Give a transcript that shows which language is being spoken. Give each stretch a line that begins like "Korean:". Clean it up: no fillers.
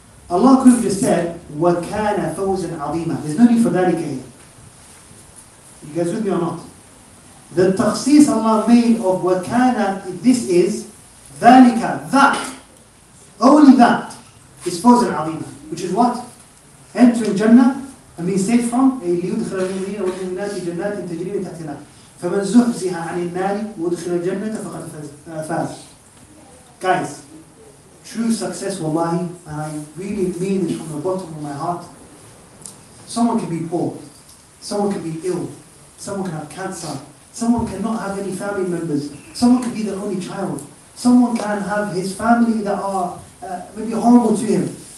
English: Allah could have just said,
Arabic: وَكَانَ فَوْزًا عَظِيمًا.
English: There's no need for that again. You guys with me or not? The takhsis Allah made of وَكَانَ, this is ذَلِكَ, that, only that, is
Arabic: فَوْزًا عَظِيمًا.
English: Which is what? Entering Jannah and being saved from
Arabic: لِيُدْخِلَ الْمُؤْمِنِينَ وَالْمُؤْمِنَاتِ جَنَّاتٍ تَجْرِي مِنْ تَحْتِهَا الْأَنْهَارُ فَمَنْ زُحْزِحَ عَنِ النَّارِ وَأُدْخِلَ الْجَنَّةَ فَقَدْ فَازَ.
English: Guys, true success, wallahi, and I really mean this from the bottom of my heart. Someone can be poor, someone can be ill, someone can have cancer, someone cannot have any family members, someone can be the only child, someone can have his family that are maybe horrible to him.